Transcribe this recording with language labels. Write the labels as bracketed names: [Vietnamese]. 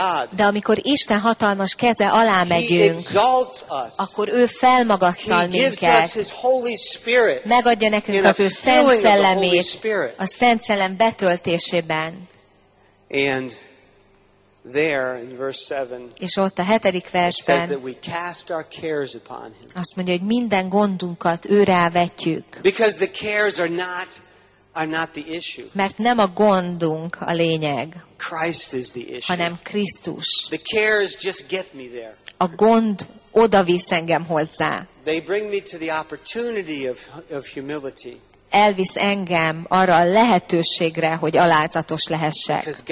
[Hungarian] De amikor Isten hatalmas keze alá megyünk, akkor ő felmagasztal minket. Megadja nekünk az ő Szent Szellemét a Szent Szellem betöltésében. [English] And there in verse 7. [Hungarian] És ott a hetedik versben. [English] It says that we cast our cares upon him. [Hungarian] Azt mondja, hogy minden gondunkat őre vetjük. [English] Because the cares are not the issue. [Hungarian] Mert nem a gondunk a lényeg. [English] Christ is the issue. [Hungarian] Hanem Krisztus. [English] The cares just get me there. [Hungarian] A gond oda visz engem hozzá. [English] They bring me to the opportunity of humility. [Hungarian] Elvisz engem arra a lehetőségre, hogy alázatos lehessek.